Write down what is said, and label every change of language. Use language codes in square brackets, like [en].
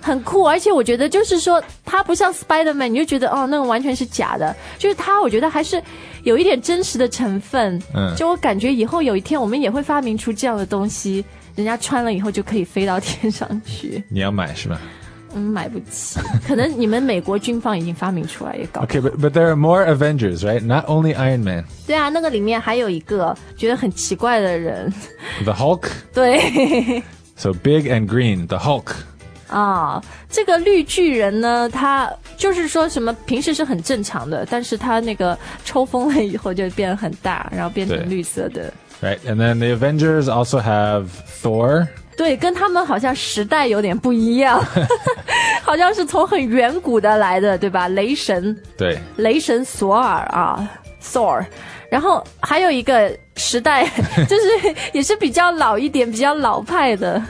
[zh] 很酷而且我觉得就是说他不像 Spider-Man 你就觉得哦，那个完全是假的就是他我觉得还是有一点真实的成分就我感觉以后有一天我们也会发明出这样的东西人家穿了以后就可以飞到天上去你要买是吧买不起可能你们美国军方已经发明出来也搞 [en] OK but there are more Avengers right not only Iron Man [zh] 对啊那个里面还有一个觉得很奇怪的人 [en] The Hulk [zh] 对 [en] So big and green The Hulk [zh] 啊、这个绿巨人呢他就是说什么平时是很正常的但是他那个抽风了以后就变得很大然后变成绿色的 [en] Right, and then the Avengers also have Thor. [zh] 对，跟他们好像时代有点不一样，好像是从很远古的来的，对吧？雷神，对，雷神索尔啊 ，Thor。然后还有一个时代，就是也是比较老一点，比较老派的